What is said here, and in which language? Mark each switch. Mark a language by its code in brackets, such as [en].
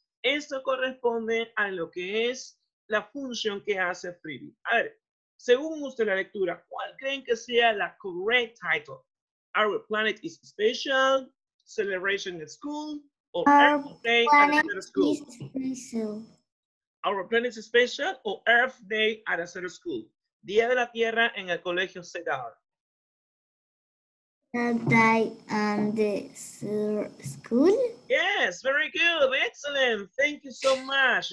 [es] Esto corresponde a lo que es la función que hace Freebie. A ver, según usted la lectura, ¿cuál creen que sea la [en] correct title? Our planet is special, celebration at school, or Our planet is special, or Earth Day at a certain school. [es] Día de la Tierra en el colegio Cedar. [en] Yes, very good, excellent, thank you so much.